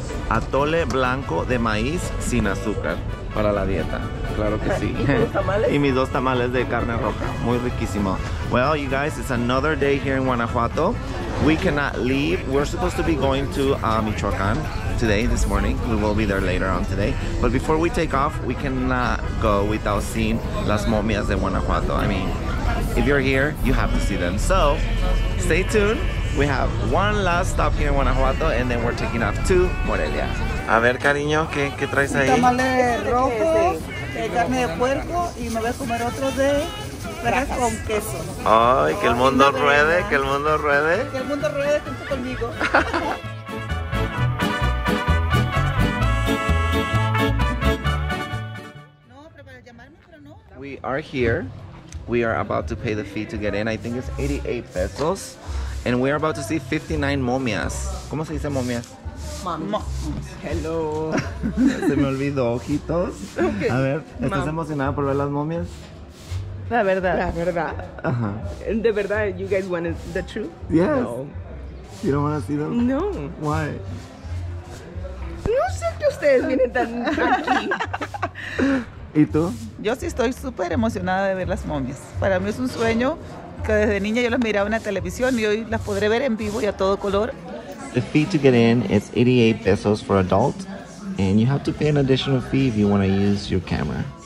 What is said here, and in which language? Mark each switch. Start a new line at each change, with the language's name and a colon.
Spanish: Atole blanco de maíz sin azúcar para la dieta. Claro que sí. ¿Y tus tamales? Y mis dos tamales de carne roja. Muy riquísimo.
English: Well, you guys, it's another day here in Guanajuato. We cannot leave. We're supposed to be going to Michoacán today, this morning. We will be there later on today. But before we take off, we cannot go without seeing
Spanish: las momias de Guanajuato.
English: I mean, if you're here, you have to see them. So, stay tuned. We have one last stop here in Guanajuato, and then we're taking off to Morelia.
Spanish: A ver, cariño, ¿qué traes ahí? Un tamale rojo, carne de puerco, y me voy a comer otro de perras con queso. Ay, que el mundo ruede, que el mundo ruede. Que el mundo ruede junto conmigo. No, pero para llamarme, pero no.
English: We are here. We are about to pay the fee to get in. I think it's 88 pesos. And we are about to see 59 momias.
Spanish: ¿Cómo se dice momias? Momias.
English: Hello.
Spanish: Se me olvidó, ojitos. Okay. A ver, ¿estás emocionada por ver las momias? La verdad. La verdad. Ajá. De verdad,
English: you guys want the truth? Yes. No. You don't want to see them? No. Why?
Spanish: No sé que ustedes vienen tan aquí. ¿Y tú? Yo sí estoy súper emocionada de ver las momias. Para mí es un sueño que desde niña yo las miraba en la televisión y hoy las podré ver en vivo y a todo color.
English: The fee to get in is 88 pesos for adult and you have to pay an additional fee if you want to use your camera.